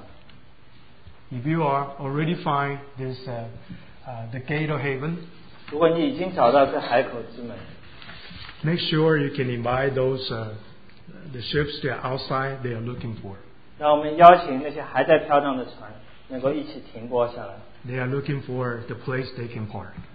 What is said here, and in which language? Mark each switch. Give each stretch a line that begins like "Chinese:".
English: If you are already find this the gate of heaven,
Chinese: 如果你已经找到这海口之门,
English: make sure you can invite those the ships that are outside they are looking for.
Chinese: 让我们邀请那些还在飘荡的船, 能够一起停泊下来。
English: They are looking for the place they can park.